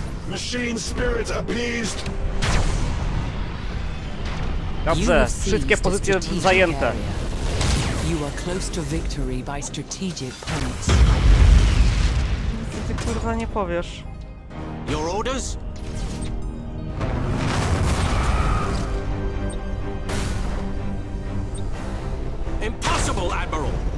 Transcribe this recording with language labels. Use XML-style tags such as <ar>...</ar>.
<en>Machine spirit appeased!</en> <pl>Dobrze, wszystkie pozycje zajęte.</pl> <en>You are close to victory by strategic points.</en> <pl>Ty kurwa nie powiesz.</pl> <en>Your orders? Impossible, Admiral!</en>